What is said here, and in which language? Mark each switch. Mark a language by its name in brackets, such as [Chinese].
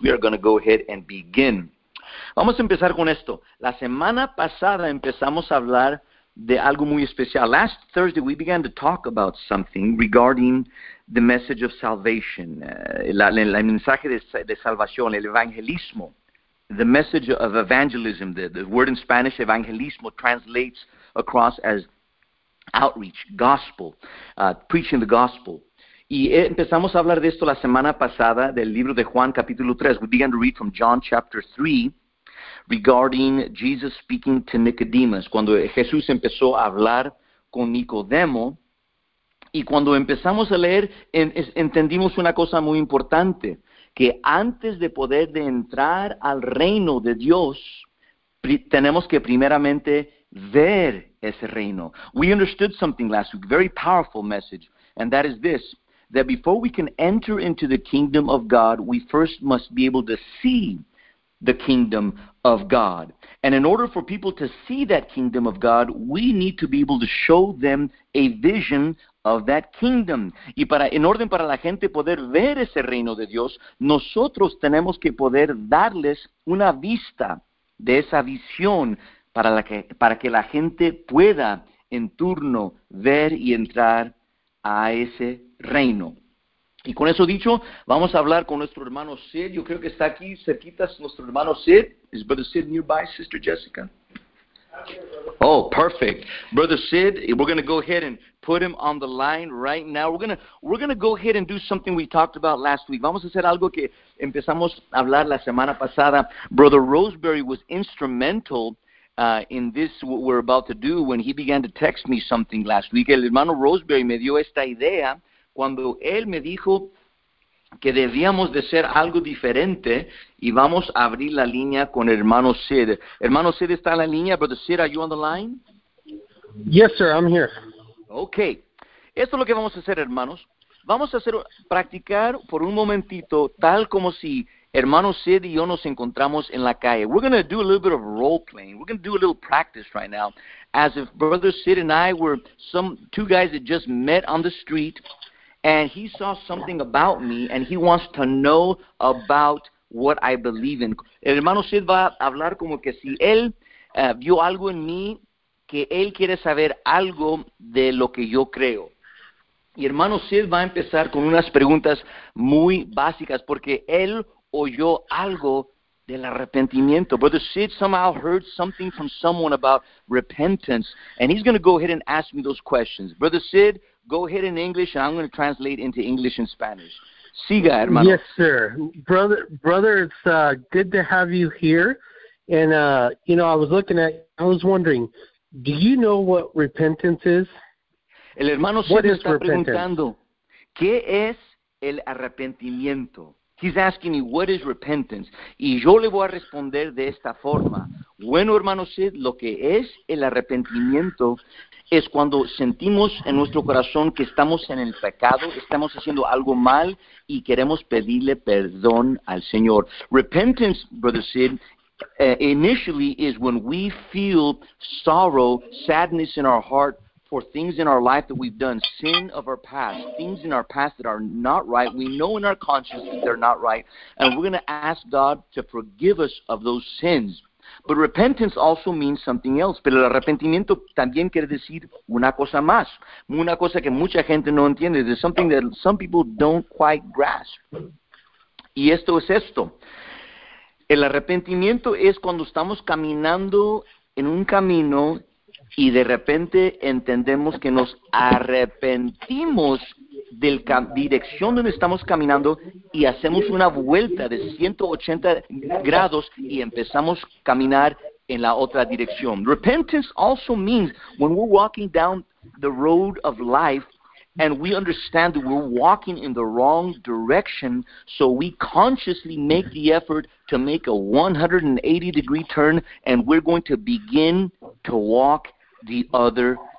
[English] We are going to go ahead and begin. [Spanish] Vamos a empezar con esto. La semana pasada empezamos a hablar de algo muy especial. [English] Last Thursday we began to talk about something regarding the message of salvation, [Spanish] el mensaje de salvación, el evangelismo. [English] The message of evangelism, the word in Spanish, evangelismo, translates across as outreach, gospel, preaching the gospel. [Spanish] Y empezamos a hablar de esto la semana pasada, del libro de Juan, capítulo 3. [English] We began to read from John, chapter 3, regarding Jesus speaking to Nicodemus. [Spanish] Cuando Jesús empezó a hablar con Nicodemo, y cuando empezamos a leer, entendimos una cosa muy importante, que antes de poder de entrar al reino de Dios, tenemos que primeramente ver ese reino. [English] We understood something last week, very powerful message, and that is this, that before we can enter into the kingdom of God, we first must be able to see the kingdom of God. And in order for people to see that kingdom of God, we need to be able to show them a vision of that kingdom. [Spanish] Y para, en orden para la gente poder ver ese reino de Dios, nosotros tenemos que poder darles una vista de esa visión para que la gente pueda en turno ver y entrar a ese reino. Y con eso dicho, vamos a hablar con nuestro hermano Sid. Yo creo que está aquí cerquita nuestro hermano Sid. [English] Is Brother Sid nearby, Sister Jessica? Oh, perfect. Brother Sid, we're going to go ahead and put him on the line right now. We're going to go ahead and do something we talked about last week. [Spanish] Vamos a hacer algo que empezamos a hablar la semana pasada. [English] Brother Roseberry was instrumental in this, what we're about to do, when he began to text me something last week. [Spanish] El hermano Roseberry me dio esta idea cuando él me dijo que debíamos de ser algo diferente, y vamos a abrir la línea con hermano Sid. Hermano Sid está en la línea. [English] Brother Sid, are you on the line? Yes, sir, I'm here. Okay. [Spanish] Esto es lo que vamos a hacer, hermanos. Vamos a hacer practicar por un momentito, tal como si hermano Sid y yo nos encontramos en la calle. [English] We're going to do a little bit of role playing. We're going to do a little practice right now, as if Brother Sid and I were some two guys that just met on the street, and he saw something about me, and he wants to know about what I believe in. [Spanish] El hermano Sid va a hablar como que si él vio algo en mí, que él quiere saber algo de lo que yo creo. Y hermano Sid va a empezar con unas preguntas muy básicas, porque él oyó algo del arrepentimiento. [English] Brother Sid somehow heard something from someone about repentance, and he's going to go ahead and ask me those questions. Brother Sid, go ahead in English, and I'm going to translate into English and Spanish. [Spanish] Siga, hermano. [English] Yes, sir. Brother, it's good to have you here. And, you know, I was wondering, do you know what repentance is? [Spanish] El hermano Sid está preguntando, ¿qué es el arrepentimiento? [English] He's asking me, what is repentance? [Spanish] Y yo le voy a responder de esta forma. Bueno, hermano Sid, lo que es el arrepentimiento es cuando sentimos en nuestro corazón que estamos en el pecado, estamos haciendo algo mal y queremos pedirle perdón al Señor. [English] Repentance, Brother Sid, initially is when we feel sorrow, sadness in our heart for things in our life that we've done, sin of our past, things in our past that are not right. We know in our conscience that they're not right, and we're going to ask God to forgive us of those sins. But repentance also means something else. [Spanish] Pero el arrepentimiento también quiere decir una cosa más. Una cosa que mucha gente no entiende. [English] There's something that some people don't quite grasp. [Spanish] Y esto es esto. El arrepentimiento es cuando estamos caminando en un camino y de repente entendemos que nos arrepentimos de la dirección donde estamos caminando y hacemos una vuelta de 180 grados y empezamos a caminar en la otra dirección. [English] Repentance also means when we're walking down the road of life and we understand that we're walking in the wrong direction, so we consciously make the effort to make a 180-degree turn and we're going to begin to walk the other